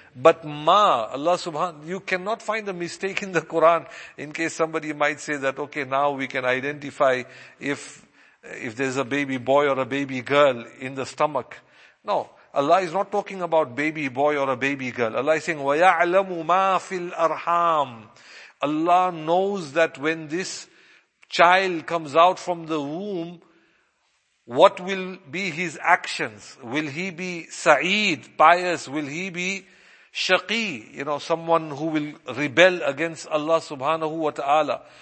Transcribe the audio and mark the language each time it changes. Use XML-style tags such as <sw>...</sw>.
<en>But ma, Allah subhanahu, you cannot find a mistake in the Quran, in case somebody might say that, okay, now we can identify if there's a baby boy or a baby girl in the stomach. No. Allah is not talking about baby boy or a baby girl. Allah is saying,</en> <ar>وَيَعْلَمُ مَا فِي الْأَرْحَامِ.</ar> <en>Allah knows that when this child comes out from the womb, what will be his actions? Will he be sa'id, pious? Will he be shaqi? You know, someone who will rebel against Allah subhanahu wa ta'ala.</en>